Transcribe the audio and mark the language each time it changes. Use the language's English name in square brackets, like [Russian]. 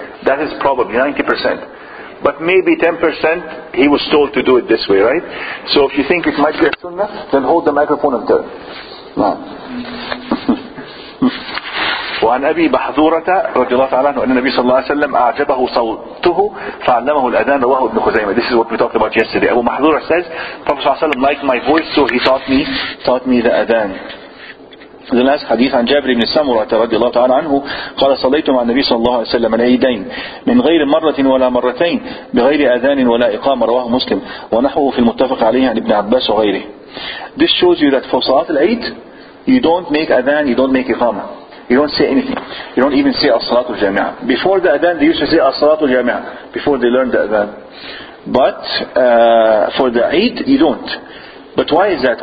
[English] That is probably 90%. But maybe 10%, he was told to do it this way, right? So if you think it might be a sunnah, then hold the microphone and turn. No. [Arabic] وعن أبي بحذورة رضي الله تعالى عنه أن النبي صلى الله عليه وسلم أعجبه صوته فعلمه الأذان رواه ابن خزيمة. [English] This is what we talked about yesterday. أبو محذورة says Prophet صلى الله عليه وسلم liked my voice, so he taught me the Adhan. The last hadith [Arabic] عن جابر بن سمرة رضي الله تعالى عنه قال صليت مع النبي صلى الله عليه وسلم العيدين من غير مرة ولا مرتين بغير أذان ولا إقامة رواه مسلم ونحوه في المتفق عليه عن ابن عباس وغيره. [English] This shows you that for صلاة العيد you don't make Adhan, you don't make إقامة. You don't say anything. You don't even say As-Salatu Jami'ah. Before the Adhan, they used to say As-Salatu Jami'ah. Before they learned the Adhan. But for the Eid, you don't. But why is that?